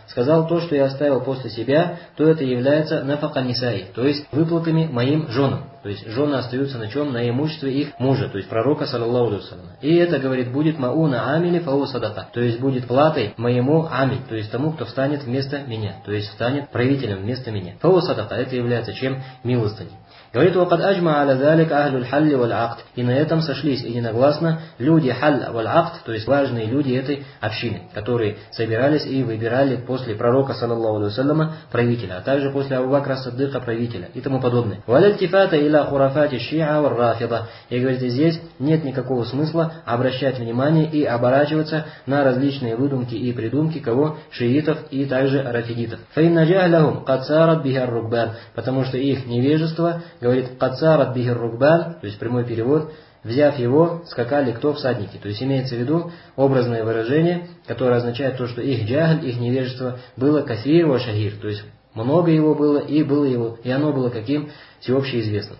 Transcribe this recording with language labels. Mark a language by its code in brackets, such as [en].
[ru] Сказал, то, что я оставил после себя, то это является [ar] нафака нисаи, [ru] то есть выплатами моим женам. То есть жены остаются на чем? На имуществе их мужа, то есть пророка, саллаллаху алейхи ва саллям. И это, говорит, будет [ar] мауна амили фа хуа садака. [ru] То есть будет платой моему амиль, то есть тому, кто встанет вместо меня. То есть встанет правителем вместо меня. [ar] Фа хуа садака, [ru] это является чем? Милостыней. Говорит, [ar] وقد اجمع على ذلك اهل الحل والعقد. [ru] И на этом сошлись единогласно люди халь валь-акд, то есть важные люди этой общины, которые собирались и выбирали после пророка саллаллаху алейхи ва саллям правителя, а также после Абу Бакра ас-Сиддика правителя и тому подобное. [ar] Валь-ильтифата иля хурафати ши'а вар-рафида. [ru] И говорит, здесь нет никакого смысла обращать внимание и оборачиваться на различные выдумки и придумки кого? Шиитов и также рафидитов. [ar] فإن جهلهم قد سارت به الركبان. [ru] Потому что их невежество, говорит, [ar] «Кацарат бихир рукбан», [ru] то есть прямой перевод, «взяв его, скакали кто? Всадники». То есть имеется в виду образное выражение, которое означает то, что их джагль, их невежество было [ar] «касир ва шагир», [ru] то есть много его было, и было его, и оно было каким? Всеобще известно.